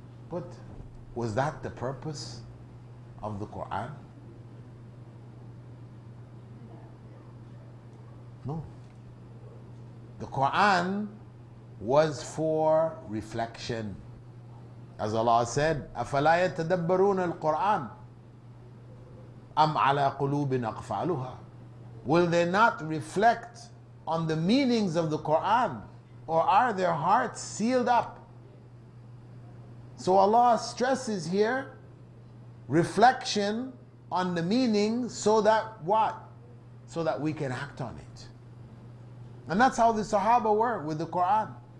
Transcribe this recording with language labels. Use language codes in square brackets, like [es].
[en] But was that the purpose of the Qur'an? No. The Quran was for reflection. As Allah said, [ar] أَفَلَا يَتَدَبَّرُونَ الْقُرْآنَ أَمْ عَلَىٰ قُلُوبٍ أَقْفَالُهَا. [en] Will they not reflect on the meanings of the Quran, or are their hearts sealed up? So Allah stresses here reflection on the meaning, so that what? So that we can act on it. And that's how the Sahaba were with the Quran.